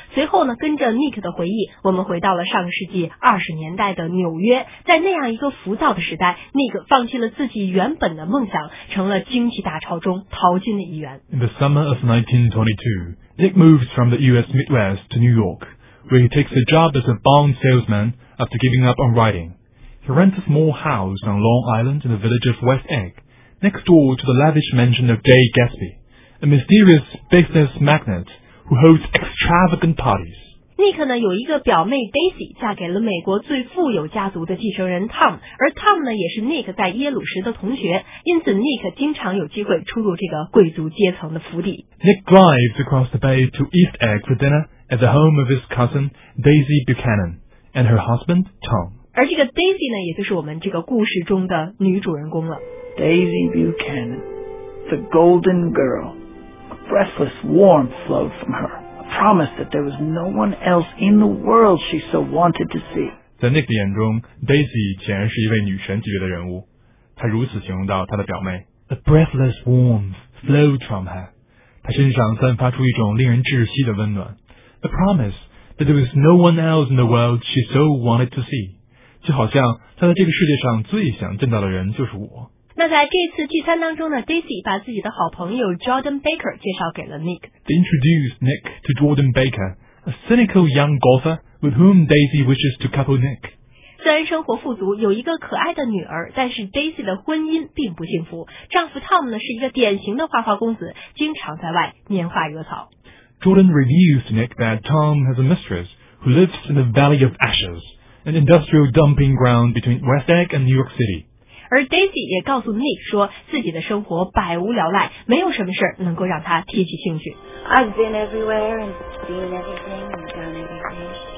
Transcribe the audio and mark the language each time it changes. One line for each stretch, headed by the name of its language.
Chinese: 随后呢，跟着 Nick 的回忆，我们回到了上世纪20年代的纽约。在那样一个浮躁的时代， Nick 放弃了自己原本的梦想，成了经济大潮中淘金的一员。
English: In the summer of 1922, Nick moves from the U.S. Midwest to New York, where he takes a job as a bond salesman after giving up on writing. He rents a small house on Long Island in the village of West Egg. Next door to the lavish mansion of Jay Gatsby, a mysterious business magnate who hosts extravagant parties.
Chinese: Nick 呢有一个表妹 Daisy 嫁给了美国最富有家族的继承人 Tom, 而 Tom 呢也是 Nick 在耶鲁时的同学，因此 Nick 经常有机会出入这个贵族阶层的府邸。
English: Nick drives across the bay to East Egg for dinner at the home of his cousin Daisy Buchanan and her husband Tom.
Chinese: 而这个 Daisy 呢也就是我们这个故事中的女主人公了。
English: Daisy Buchanan, the golden girl. A breathless warmth flowed from her, a promise that there was no one else in the world she so wanted to see.
Chinese: 在 Nick 的眼中， Daisy 显然是一位女神级别的人物。她如此形容到她的表妹，
English: A breathless warmth flowed from her.
Chinese: 她身上散发出一种令人窒息的温暖。
English: A promise that there was no one else in the world she so wanted to see.
Chinese: 就好像她在这个世界上最想见到的人就是我。那在这次聚餐当中呢， Daisy 把自己的好朋友 Jordan Baker 介绍给了 Nick.
English: They introduced Nick to Jordan Baker, a cynical young golfer with whom Daisy wishes to couple Nick.
Chinese: 虽然生活富足，有一个可爱的女儿，但是 Daisy 的婚姻并不幸福。丈夫 Tom 呢是一个典型的花花公子，经常在外拈花惹草。
English: Jordan reveals to Nick that Tom has a mistress who lives in the Valley of Ashes, an industrial dumping ground between West Egg and New York City.
Chinese: 而 Daisy 也告诉 Nick 说自己的生活百无聊赖，没有什么事能够让他提起兴趣。
English: I've been everywhere and seen everything and done everything.